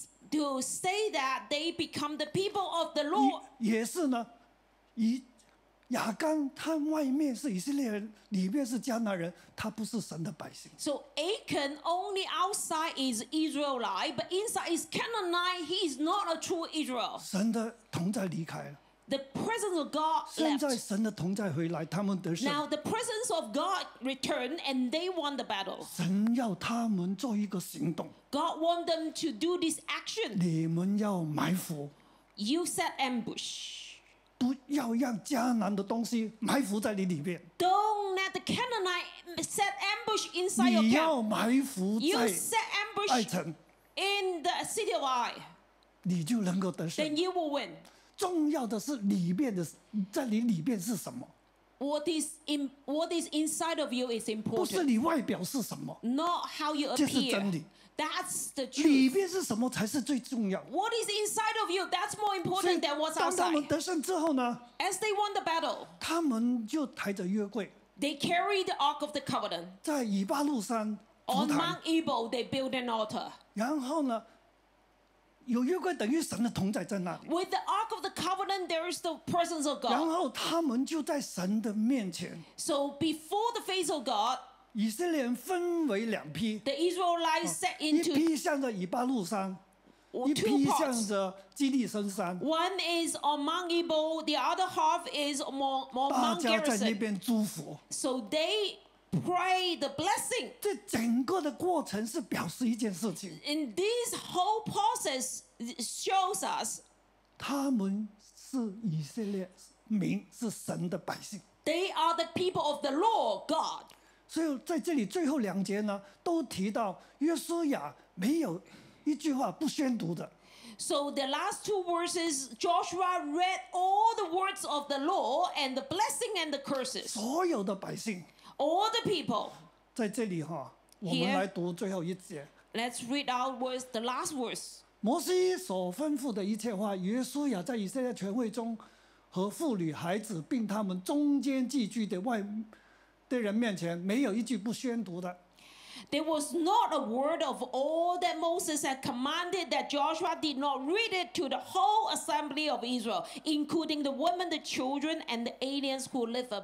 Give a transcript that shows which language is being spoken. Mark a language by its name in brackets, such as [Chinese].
[English] To say that they become the people of the Lord. [Chinese] 也是呢，以亚干他外面是以色列人，里面是迦南人，他不是神的百姓。 [English] So Achan only outside is Israelite, but inside is Canaanite. He is not a true Israel. [Chinese] 神的同在离开了。 [English] The presence of God left. [Chinese] 现在神的同在回来，他们得胜。 [English] Now the presence of God returned and they won the battle. [Chinese] 神要他们做一个行动。 [English] God want them to do this action. [Chinese] 你们要埋伏。 [English] You set ambush. [Chinese] 不要让迦南的东西埋伏在你里面。 [English] Don't let the Canaanite set ambush inside your camp. [Chinese] 你要埋伏在爱城。 [English] You set ambush in the city of Ai. [Chinese] 你就能够得胜。 [English] Then you will win. [Chinese] 重要的是里面的，在你里面是什么。 [English] What is inside of you is important. [Chinese] 不是你外表是什么。 [English] Not how you appear. [Chinese] 这是真理。 [English] That's the truth. [Chinese] 里面是什么才是最重要。 [English] What is inside of you? That's more important than what's outside. [Chinese] 当他们得胜之后呢 [English] ？As they won the battle, [Chinese] 他们就抬着约柜。 [English] They carry the ark of the covenant. [Chinese] 在以巴路山。 [English] On Mount Ebal, they build an altar. [Chinese] 然后呢？有约柜等于神的同在在那里。 [English] With the ark of the covenant, there is the presence of God. [Chinese] 然后他们就在神的面前。 [English] So before the face of God. [Chinese] 以色列人分为两批 [English] ，The Israelites set into [Chinese] 一批向着以巴路山，一批向着基利申山。 [English] One is on Mount Ebal, the other half is on Mount Gerizim. [Chinese] 大家在那边祝福。 [English] So they pray the blessing. [Chinese] 这整个的过程是表示一件事情。 [English] And this whole process shows us [Chinese] 他们是以色列民，是神的百姓。 [English] They are the people of the Lord God. [Chinese] 所以在这里最后两节呢，都提到约书亚没有一句话不宣读的。 [English] So the last two verses, Joshua read all the words of the law and the blessing and the curses. [Chinese] 所有的百姓 [English] ，all the people， [Chinese] 在这里哈，我们来读最后一节。 [English] Let's read out words, the last words. [Chinese] 摩西所吩咐的一切话，约书亚在以色列全会中和妇女孩子，并他们中间寄居的外。在人面前没有一句不宣读的。 [English] There was not a word of all that Moses had commanded that Joshua did not read it to the whole assembly of Israel, including the women, the children, and the aliens who live among them.